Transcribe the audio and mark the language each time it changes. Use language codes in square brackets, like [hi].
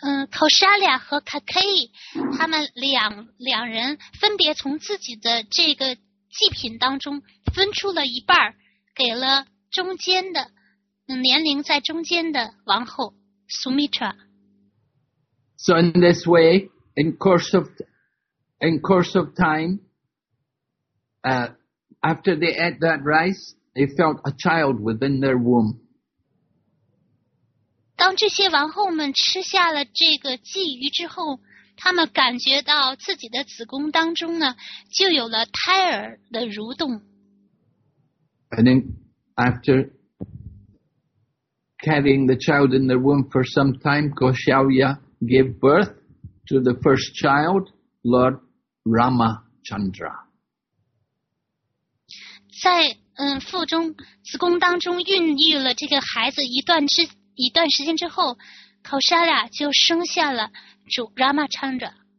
[zh] Kausalya 和 Kaikeyi, 他们两人分别从自己的这个祭品当中分出了一半给了中间的年龄在中间的王后 Sumitra. [en] So in this way, in course of time, after they ate that rice, they felt a child within their womb. [zh] 当这些王后们吃下了这个鲫鱼之后，他们感觉到自己的子宫当中呢，就有了胎儿的蠕动。 [en] And then after carrying the child in their womb for some time, Kausalya,gave birth to the first child, Lord Ramachandra. [zh] 在腹中子宫当中孕育了这个孩子一段时间之后， Kausalya 就生下了主 Ramachandra.